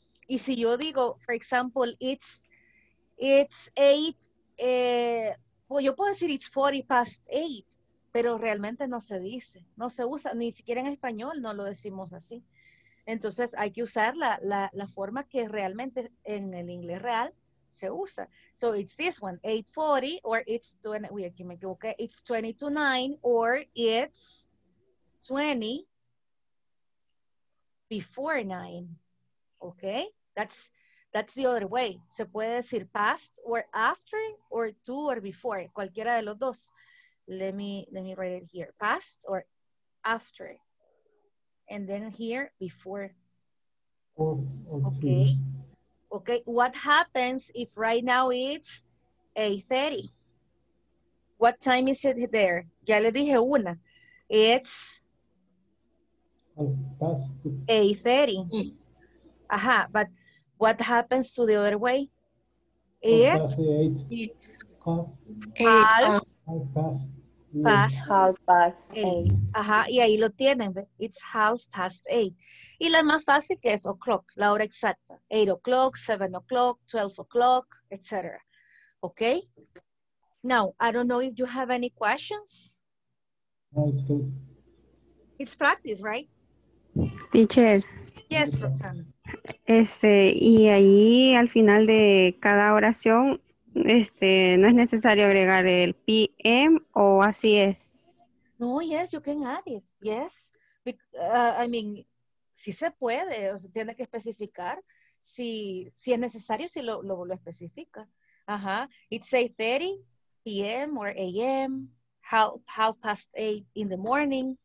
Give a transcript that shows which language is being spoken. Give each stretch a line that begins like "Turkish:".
Spanish: Y si yo digo,
English: for example, it's eight,
Spanish: yo puedo decir
English: it's 40 past 8,
Spanish: pero realmente no se dice, no se usa, ni siquiera en español no lo decimos así. Entonces hay que usar la forma que realmente en el inglés real se usa.
English: So it's this one, 8:40, or it's 20,
Spanish: uy, aquí me equivoqué,
English: it's 8:29, or it's 20 before 9, okay? That's the other way.
Spanish: Se puede decir
English: past or after or to or before.
Spanish: Cualquiera de los dos.
English: Let me write it here. Past or after. And then here, before. Okay. Okay. What happens if right now it's 8:30? What time is it there?
Spanish: Ya le dije una.
English: It's 8:30. Ajá, but what happens to the other way? It's half past eight.
Spanish: Ajá, y ahí lo tienen, ¿ve?
English: It's half past 8.
Spanish: Y la más fácil que es o'clock, la hora exacta.
English: 8 o'clock, 7 o'clock, 12 o'clock, etc. Okay? Now, I don't know if you have any questions. It's practice, right? Teacher. Yes, Roxana.
Spanish: Y ahí al final de cada oración, no es necesario agregar el PM o así es.
English: No, yes, you can add it. Yes, I mean,
Spanish: si se puede, o sea, tiene que especificar. Si es necesario, si lo especifica.
English: Ajá, it's 8:30 PM or AM, half past 8 in the morning.